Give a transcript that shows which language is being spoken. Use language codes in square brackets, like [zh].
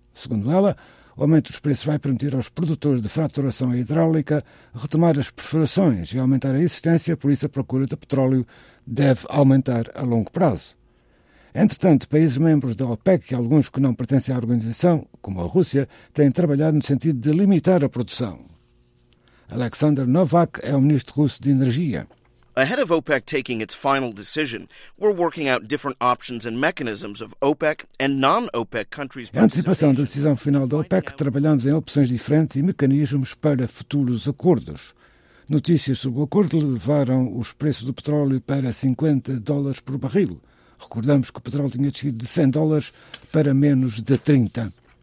[pt] Segundo ela, o aumento dos preços vai permitir aos produtores de fraturação hidráulica retomar as perfurações e aumentar a existência, por isso a procura de petróleo deve aumentar a longo prazo. Entretanto, países membros da OPEC e alguns que não pertencem à organização, como a Rússia, têm trabalhado no sentido de limitar a produção. Alexander Novak é o ministro russo de Energia. [en] Ahead of OPEC taking its final decision, we're working out different options and mechanisms of OPEC and non-OPEC countries. [pt] Em antecipação da decisão final da OPEC, trabalhamos em opções diferentes e mecanismos para futuros acordos. Notícias sobre o acordo levaram os preços do petróleo para $50 por barril. Recordamos que o petróleo tinha descido de $100 para menos de 30.